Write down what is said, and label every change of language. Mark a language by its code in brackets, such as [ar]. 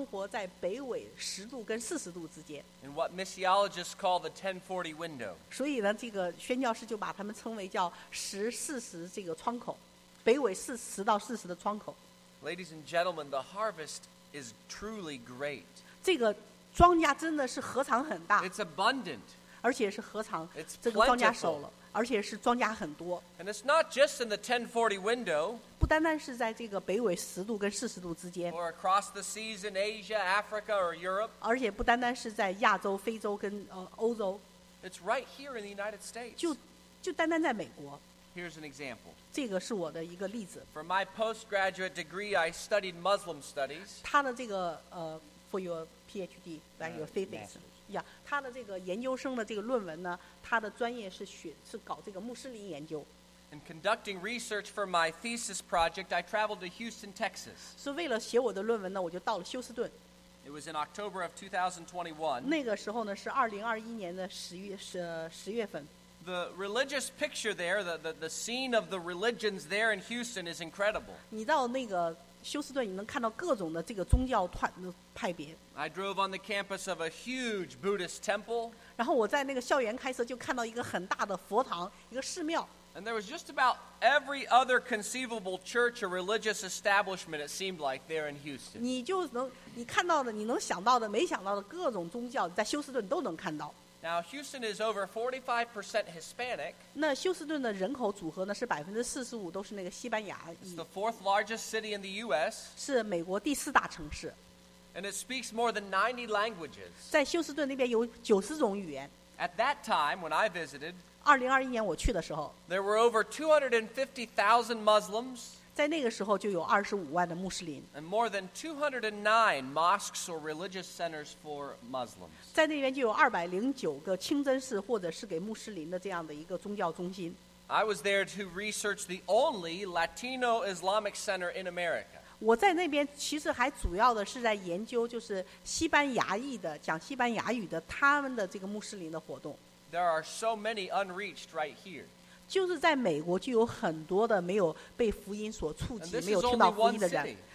[zh] 那就是说这个主要的这个没有就是未触及没有听到过福音的这个人群呢，他们生活在北纬10度跟40度之间。 [en] In what missiologists call the 1040 window. [zh] 所以呢，这个宣教士就把他们称为叫10-40这个窗口，北纬40到40的窗口。 [en] Ladies and gentlemen, the harvest is truly great. [zh] 这个 庄稼真的是禾场很大, [en] it's abundant. [zh] 而且是禾场, [en] it's [zh] 这个庄稼熟了, 而且是庄稼很多, [en] and it's not just in the 1040 window. [zh] 不单单是在这个北纬10度跟40度之间, [en] or across the seas in Asia, Africa, or Europe. [zh] 而且不单单是在亚洲、非洲跟欧洲, [en] it's right here in the United States. [zh] 就单单在美国。 [en] Here's an example. [zh] 这个是我的一个例子。 [en] For my postgraduate degree, I studied Muslim studies. [zh] 他的这个, [en] for your PhD, like your thesis. [zh] Yeah, 他的这个研究生的这个论文呢，他的专业是搞这个穆斯林研究。 [en] In conducting research for my thesis project, I traveled to Houston, Texas. [zh] 是为了写我的论文呢，我就到了休斯顿。 [en] It was in October of 2021. [zh] 那个时候呢，是2021年的10月份。 [en] The religious picture there, the scene of the religions there in Houston is incredible. [zh] 你到那个 休斯顿你能看到各种的这个宗教派别。 [en] I drove on the campus of a huge Buddhist temple. [zh] 然后我在那个校园开车就看到一个很大的佛堂，一个寺庙。 [en] And there was just about every other conceivable church or religious establishment it seemed like there in Houston. [zh] 你就能，你看到的，你能想到的，没想到的各种宗教在休斯顿都能看到。 [en] Now, Houston is over 45% Hispanic. [zh] 那休斯顿的人口组合呢，是45%都是那个西班牙裔。 [en] It's the fourth largest city in the U.S. [zh] 是美国第四大城市。 [en] And it speaks more than 90 languages. [zh] 在休斯顿那边有90种语言。 [en] At that time, when I visited, [zh] 2021年我去的时候 [en] ，there were over 250,000 Muslims. [zh] 在那个时候就有25万的穆斯林。 [en] And more than 209 mosques or religious centers for Muslims. [zh] 在那边就有209个清真寺或者是给穆斯林的这样的一个宗教中心。 [en] I was there to research the only Latino Islamic center in America. [zh] 我在那边其实还主要的是在研究就是西班牙裔的讲西班牙语的他们的这个穆斯林的活动。 [en] There are so many unreached right here. [zh] 就是在美国就有很多的没有被福音所触及没有听到福音的人。